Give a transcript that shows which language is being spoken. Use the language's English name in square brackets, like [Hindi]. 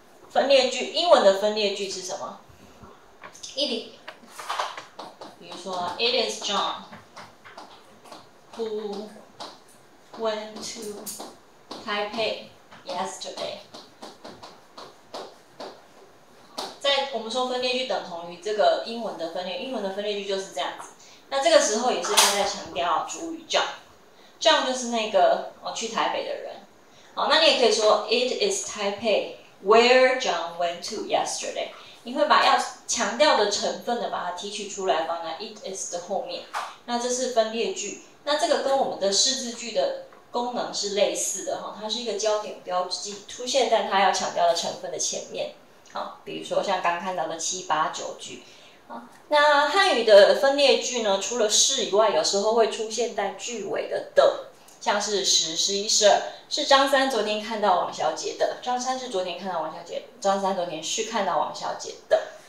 [Chinese] 分裂句，英文的分裂句是什么？ [English] It，比如说，It is John who went to Taipei yesterday。 [Chinese] 我们说分裂句等同于这个英文的分裂，英文的分裂句就是这样子。那这个时候也是他在强调主语 John 就是那个去台北的人。好，那你也可以说 [English] It is Taipei where John went to yesterday。 [Chinese] 你会把要强调的成分的把它提取出来，放在 It is 的后面。那这是分裂句，那这个跟我们的是字句的功能是类似的哈，它是一个焦点标记，出现在它要强调的成分的前面。好，比如说像刚看到的七八九句，啊，那汉语的分裂句呢，除了是以外，有时候会出现在句尾的的，像是十、十一、十二，是张三昨天看到王小姐的，张三是昨天看到王小姐，张三昨天是看到王小姐的。